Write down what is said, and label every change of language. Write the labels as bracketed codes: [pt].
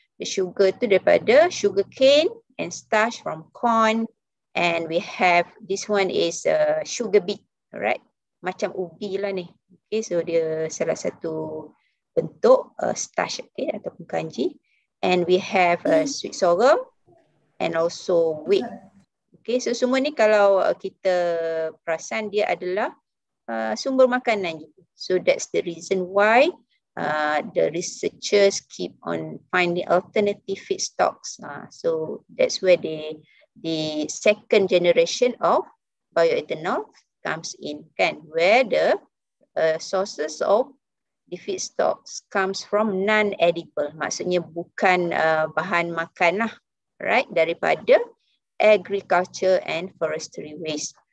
[en] The sugar [ms] tu daripada [en] sugar cane and starch from corn, and we have this one is sugar beet, right? [ms] Macam ubi lah ni. Okay, so dia salah satu bentuk starch, okay, ataupun kanji. [en] And we have sweet sorghum and also wheat. [ms] Okay, so semua ni kalau kita perasan dia adalah sumber makanan. [en] So that's the reason why the researchers keep on finding alternative feedstocks. So that's where the second generation of bioethanol comes in, [ms] kan, [en] where the sources of the feedstocks comes from non-edible, [ms] maksudnya bukan bahan makan lah, [en] right, [ms] daripada [en] agriculture and forestry waste.